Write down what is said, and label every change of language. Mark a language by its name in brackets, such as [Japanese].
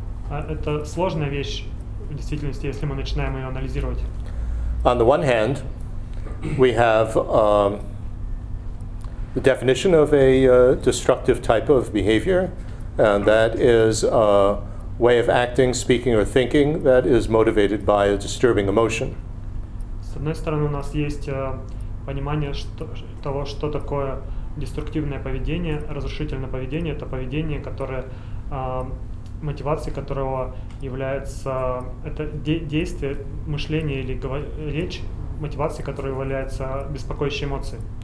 [Russian] Это сложная вещь, в действительности, если мы начинаем ее анализировать. [English] On the one hand, we have the definition of a destructive type of behavior, and that is a way of acting, speaking, or thinking that is motivated by a disturbing emotion. [Russian] С одной стороны, у нас есть понимание того, что такое деструктивное поведение, разрушительное поведение — это поведение, которое мотивацией которого является это действие, мышление или речь, мотивацией которой является беспокоящие эмоции.